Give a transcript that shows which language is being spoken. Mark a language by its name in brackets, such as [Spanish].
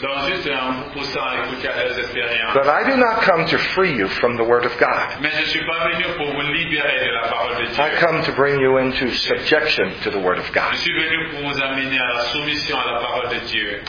[French] Donc, juste en vous poussant à écouter à leurs expériences. [English] But I do not come to free you from the Word of God. [French] Mais je suis pas venu pour vous libérer de la parole de Dieu. [English] I come to bring you into subjection to the Word of God. [French] Je suis venu pour vous amener à la soumission à la parole de Dieu.